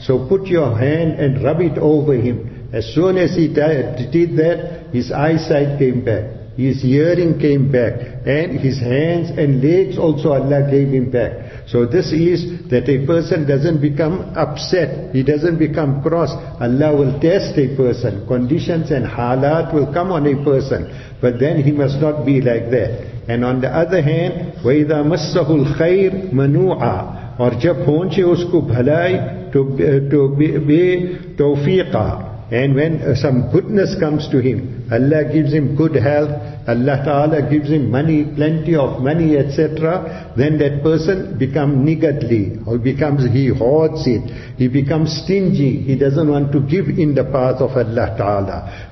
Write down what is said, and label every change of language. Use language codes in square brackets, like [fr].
[en] So put your hand and rub it over him. As soon as he did that, his eyesight came back, his hearing came back, and his hands and legs also Allah gave him back. So this is that a person doesn't become upset, he doesn't become cross. Allah will test a person. Conditions and halat will come on a person, but then he must not be like that. And on the other hand, [ar] وَإِذَا مَسَّهُ الْخَيْرِ مَنُوعًا [ur] اور جب پہنچے اس کو بھلائی تو بے توفیقہ. [en] And when some goodness comes to him, Allah gives him good health, Allah Ta'ala gives him money, plenty of money, etc., then that person becomes niggardly, or becomes, he hoards it, he becomes stingy, he doesn't want to give in the path of Allah Ta'ala.